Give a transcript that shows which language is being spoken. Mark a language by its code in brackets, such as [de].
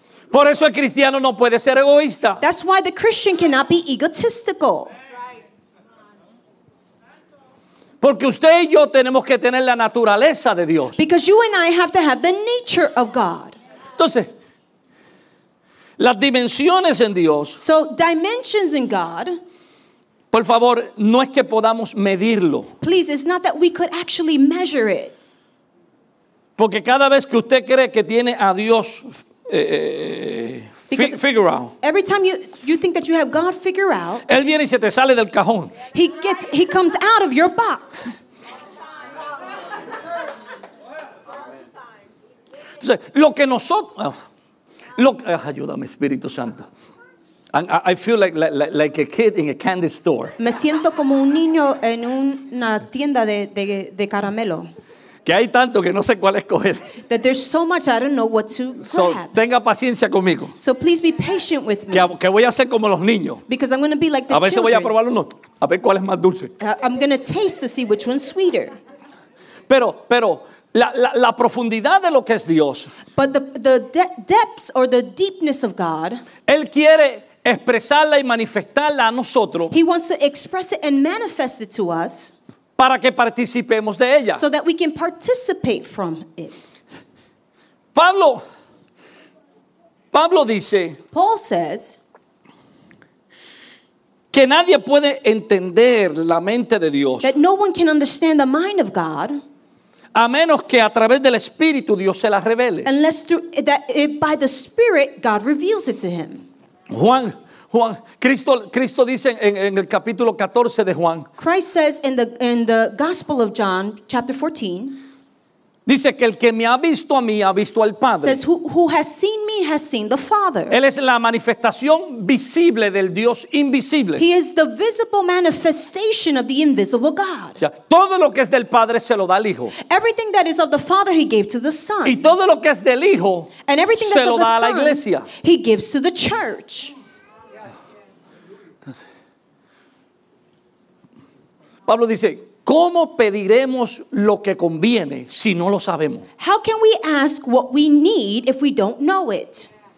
[es] Por eso el cristiano no puede ser egoísta. [en] That's why the Christian cannot be egotistical. [es] Porque usted y yo tenemos que tener la naturaleza de Dios. [en] Because you and I have to have the nature of God. [es] Entonces, las dimensiones en Dios. [en] So, dimensions in God. [es] Por favor, no es que podamos medirlo. [en] Please, it's not that we could actually measure it. [es] Porque cada vez que usted cree que tiene a Dios [en] figure out. Every time you think that you have God figure out, [es] él viene y se te sale del cajón. [en] He comes out of your box. [es] Entonces, lo que nosotros, ayúdame, Espíritu Santo. [en] I feel like a kid in a candy store. [es] Me siento como un niño en una tienda de caramelo. Que hay tanto que no sé cuál escoger. [en] That there's so much I don't know what to grab. [es] So, tenga paciencia conmigo. [en] So please be patient with me. [es] Que voy a hacer como los niños. [en] Because I'm going to be like the children. A [es] veces voy a probar uno, a ver cuál es más dulce. [en] I'm going to taste to see which one's sweeter. [es] Pero la profundidad de lo que es Dios. [en] But the depths or the deepness of God. [es] Él quiere expresarla y manifestarla a nosotros. [en] He wants to express it and manifest it to us. [es] Para que participemos de ella. [en] So that we can participate from it. [es] Pablo dice. [en] Paul says. [es] Que nadie puede entender la mente de Dios. [en] That no one can understand the mind of God. [es] A menos que a través del Espíritu Dios se la revele. [en] Unless through, that it, by the Spirit God reveals it to him. [es] Juan, Cristo dice en el capítulo 14 de Juan. [en] Christ says in the Gospel of John, chapter 14. [es] Dice que el que me ha visto a mí ha visto al Padre. [en] Says who has seen me has seen the Father. [es] Él es la manifestación visible del Dios invisible. [en] He is the visible manifestation of the invisible God. [es] Ya, todo lo que es del Padre se lo da al Hijo. [en] Everything that is of the Father he gave to the Son. [es] Y todo lo que es del Hijo [en] and everything [es] se lo da [en] the [es] a la Iglesia. [en] He gives to the church. [es] Pablo dice, ¿cómo pediremos lo que conviene si no lo sabemos? [en] How can we ask what we need if we don't know it?